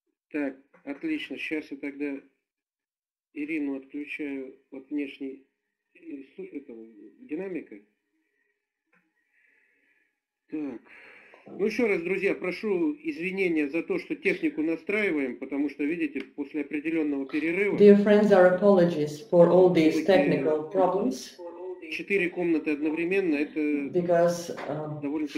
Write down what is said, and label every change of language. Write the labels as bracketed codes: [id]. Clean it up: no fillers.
[ru] Так, отлично, сейчас я тогда Ирину отключаю от внешней этого, динамика. Так, ну еще раз, друзья, прошу извинения за то, что технику настраиваем, потому что, видите, после определенного перерыва... [en] Dear friends, our apologies for all these technical problems. [ru] Четыре комнаты одновременно, это довольно-таки